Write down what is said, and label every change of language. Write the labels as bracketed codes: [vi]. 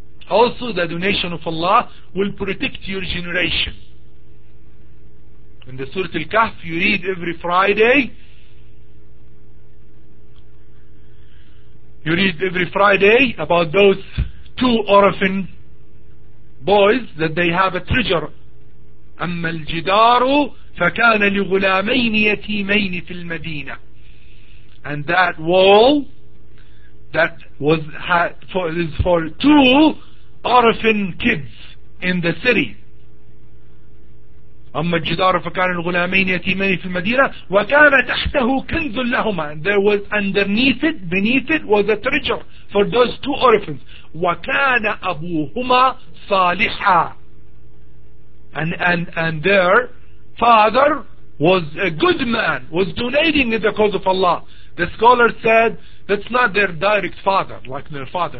[en] Also, the donation of Allah will protect your generation. In the Surah Al-Kahf, you read every Friday. You read every Friday about those two orphan boys that they have a treasure. [ar] أما الجدار فكان لغلامين يتيمين في المدينة. [en] And that wall that was for two orphan kids in the city. [ar] أما الجدار فكان الغلامين يتيمين في المدينة وكان تحته كنز لهما. [en] There was underneath it, beneath it, was a treasure for those two orphans. [ar] وكان أبوهما صالحا. [en] And their father was a good man, was donating in the cause of Allah. The scholar said, that's not their direct father, like their father.